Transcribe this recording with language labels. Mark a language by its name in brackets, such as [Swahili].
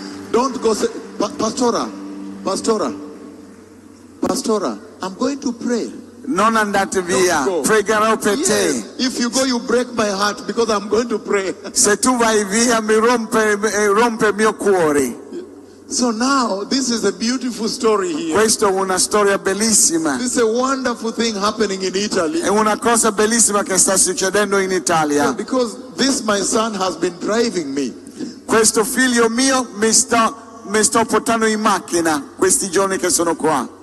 [English] Don't go say, pastora, pastora, pastora, I'm going to pray. [Italian] Non andate via, pregherò per te. [English] If you go, you break my heart because I'm going to pray. [Italian] Se tu vai via, mi rompe il mio cuore. [English] So now, this is a beautiful story here. [Italian] Questa è una storia bellissima. [English] This is a wonderful thing happening in Italy. [Italian] È una cosa bellissima che sta succedendo in Italia. [English] Yeah, because this, my son, has been driving me. [Italian] Questo figlio mio mi sto portando in macchina questi giorni che sono qua.